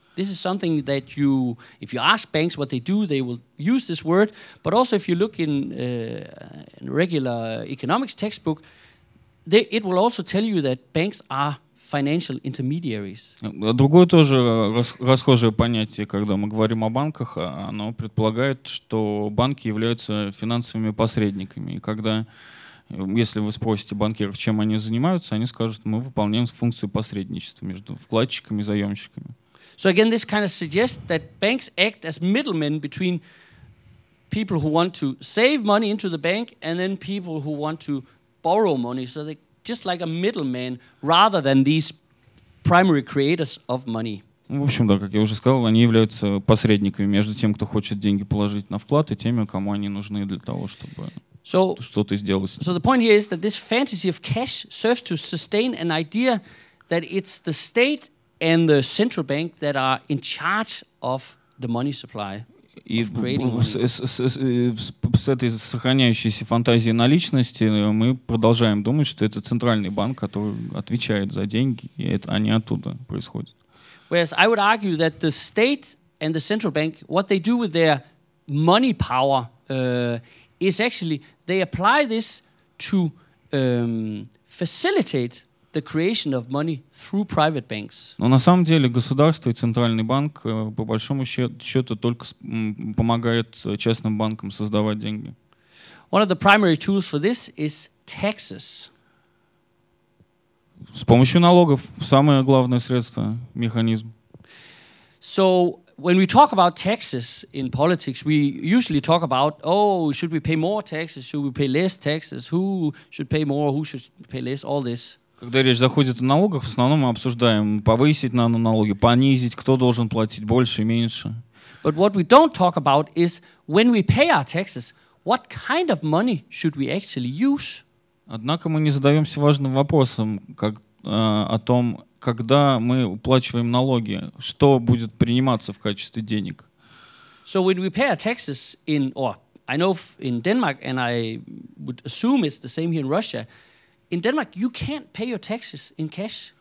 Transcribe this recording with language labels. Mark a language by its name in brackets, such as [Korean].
[English] This is something that you, if you ask banks what they do, they will use this word. But also if you look in regular economics textbook, it will also tell you that banks are financial intermediaries. [Russian] Другое тоже расхожее понятие, когда мы говорим о банках, оно предполагает, что банки являются финансовыми посредниками. И когда, если вы спросите банкиров, чем они занимаются, они скажут, мы выполняем функцию посредничества между вкладчиками и заемщиками. [English] So again, this kind of suggests that banks act as middlemen between people who want to save money into the bank and then people who want to borrow money, so they just like a middleman, rather than these primary creators of money. [Russian] В общем, да, как я уже сказал, они являются посредниками между тем, кто хочет деньги положить на вклад, и теми, кому они нужны для того, чтобы что-то сделать. [English] So the point here is that this fantasy of cash serves to sustain an idea that it's the state and the central bank that are in charge of the money supply. [Russian] И с этой сохраняющейся фантазией наличности мы продолжаем думать, что это центральный банк, который отвечает за деньги, и это они оттуда происходят. [English] Whereas I would argue that the state and the central bank, what they do with their money power is actually they apply this to facilitate the creation of money through private banks. [Russian] Но на самом деле государство и центральный банк по большому счету только помогает частным банкам создавать деньги. [English] One of the primary tools for this is taxes. [Russian] С помощью налогов самое главное средство, механизм. [English] So when we talk about taxes in politics, we usually talk about, oh, should we pay more taxes, should we pay less taxes, who should pay more, who should pay less, all this. [Russian] Когда речь заходит о налогах, в основном мы обсуждаем, повысить надо налоги, понизить, кто должен платить больше и меньше. [English] But what we don't talk about is when we pay our taxes, what kind of money should we actually use? [Russian] Однако мы не задаемся важным вопросом, как о том, когда мы уплачиваем налоги, что будет приниматься в качестве денег. [English] So when we pay our taxes in, or I know in Denmark, and I would assume it's the same here in Russia, in Denmark you can't pay your taxes in cash.